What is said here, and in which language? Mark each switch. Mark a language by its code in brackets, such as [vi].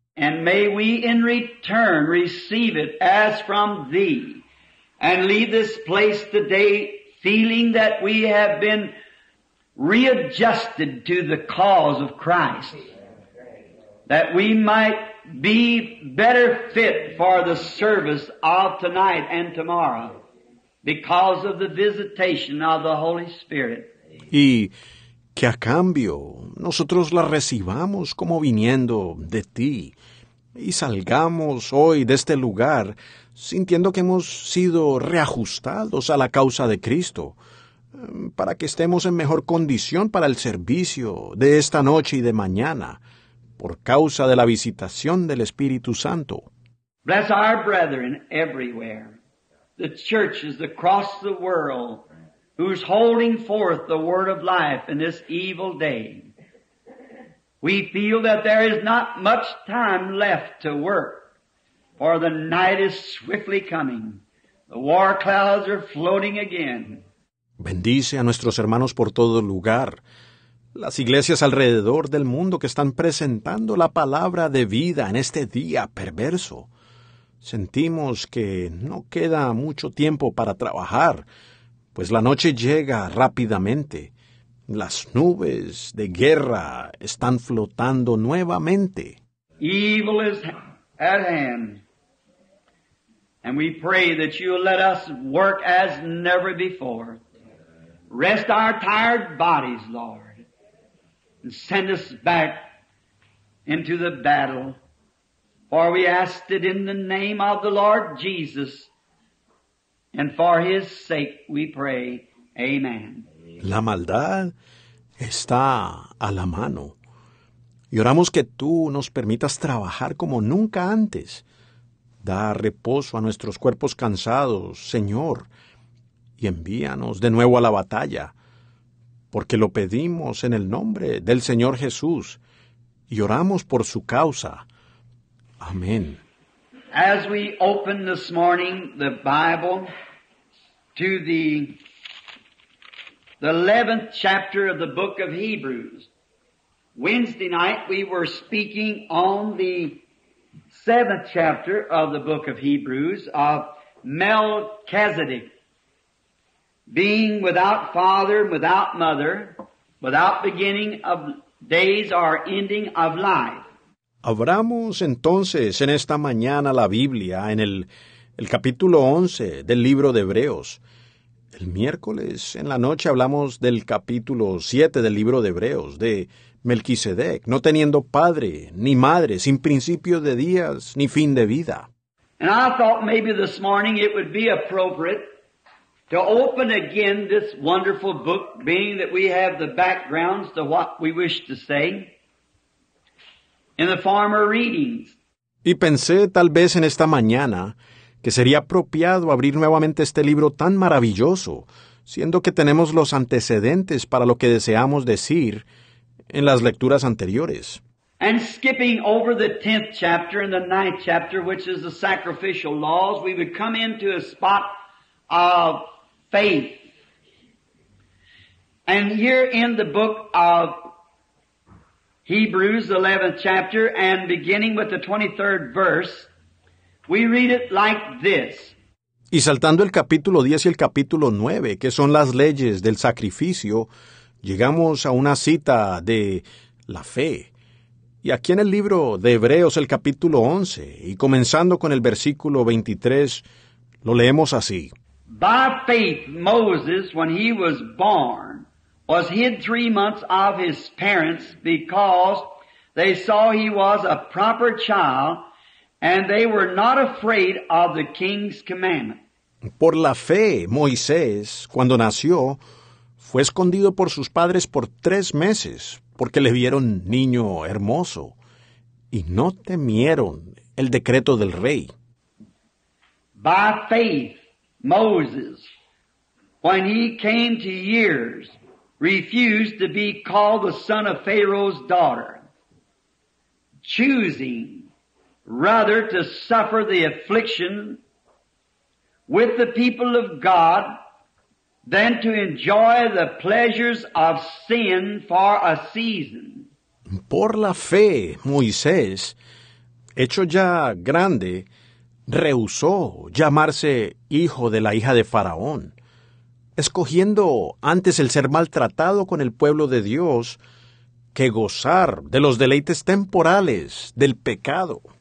[en] And may we in return receive it as from thee, and leave this place today feeling that we have been readjusted to the cause of Christ, that we might be better fit for the service of tonight and tomorrow because of the visitation of the Holy Spirit. [es] Y que a cambio nosotros la recibamos como viniendo de ti y salgamos hoy de este lugar sintiendo que hemos sido reajustados a la causa de Cristo para que estemos en mejor condición para el servicio de esta noche y de mañana por causa de la visitación del Espíritu Santo. [en] Bless our brethren everywhere, the churches across the world, who's holding forth the word of life in this evil day. We feel that there is not much time left to work, for the night is swiftly coming. The war clouds are floating again. [es] Bendice a nuestros hermanos por todo lugar, las iglesias alrededor del mundo que están presentando la palabra de vida en este día perverso. Sentimos que no queda mucho tiempo para trabajar, pues la noche llega rápidamente. Las nubes de guerra están flotando nuevamente. [en] Evil is at hand. And we pray that you let us work as never before. Rest our tired bodies, Lord. And send us back into the battle. For we ask it in the name of the Lord Jesus. And for his sake we pray. Amen. [es] La maldad está a la mano. Y oramos que tú nos permitas trabajar como nunca antes. Da reposo a nuestros cuerpos cansados, Señor. Y envíanos de nuevo a la batalla. Porque lo pedimos en el nombre del Señor Jesús y oramos por su causa. Amén. [en] As we open this morning the Bible to the 11th chapter of the book of Hebrews, Wednesday night we were speaking on the 7th chapter of the book of Hebrews of Melchizedek. Being without father, without mother, without beginning of days or ending of life. [es] Abramos entonces en esta mañana la Biblia en el capítulo 11 del libro de Hebreos. El miércoles en la noche hablamos del capítulo 7 del libro de Hebreos, de Melquisedec, no teniendo padre ni madre, sin principio de días ni fin de vida. [en] And I thought maybe this morning it would be appropriate to open again this wonderful book, being that we have the backgrounds to what we wish to say in the former readings. [es] Y pensé tal vez en esta mañana que sería apropiado abrir nuevamente este libro tan maravilloso, siendo que tenemos los antecedentes para lo que deseamos decir en las lecturas anteriores. [en] And skipping over the 10th chapter and the 9th chapter, which is the sacrificial laws, we would come into a spot of faith. And here in the book of Hebrews, 11th chapter, and beginning with the 23rd verse, we read it like this. [es] Y saltando el capítulo 10 y el capítulo 9, que son las leyes del sacrificio, llegamos a una cita de la fe. Y aquí en el libro de Hebreos, el capítulo 11, y comenzando con el versículo 23, lo leemos así. [en] By faith, Moses, when he was born, was hid 3 months of his parents, because they saw he was a proper child, and they were not afraid of the king's commandment. [es] Por la fe, Moisés, cuando nació, fue escondido por sus padres por 3 meses, porque le vieron niño hermoso, y no temieron el decreto del rey. [en] By faith, Moses, when he came to years, refused to be called the son of Pharaoh's daughter, choosing rather to suffer the affliction with the people of God than to enjoy the pleasures of sin for a season. [es] Por la fe, Moisés, hecho ya grande, rehusó llamarse hijo de la hija de Faraón, escogiendo antes el ser maltratado con el pueblo de Dios que gozar de los deleites temporales del pecado.